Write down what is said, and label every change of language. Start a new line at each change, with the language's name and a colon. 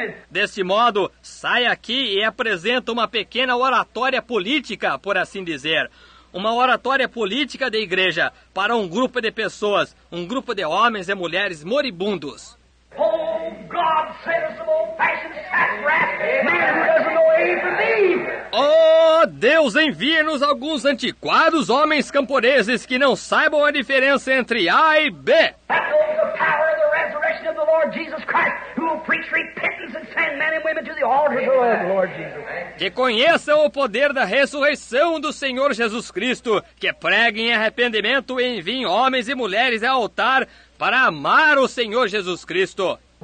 Portuguese: Deste modo, sai aqui e apresenta uma pequena oratória política, por assim dizer. Uma oratória política da igreja para um grupo de pessoas, um grupo de homens e mulheres moribundos.
English: Oh, God, send us some old-fashioned sack rat man who doesn't know A from B.
Portuguese: Oh, Deus, envia-nos alguns antiquados homens camponeses que não saibam a diferença entre A e B.
English: That knows the power of the resurrection of the Lord Jesus Christ, who will preach repentance and send men and women to the altars of the Lord Jesus.
Portuguese: Que conheçam o poder da ressurreição do Senhor Jesus Cristo, que preguem arrependimento e enviem homens e mulheres ao altar para amar o Senhor Jesus Cristo.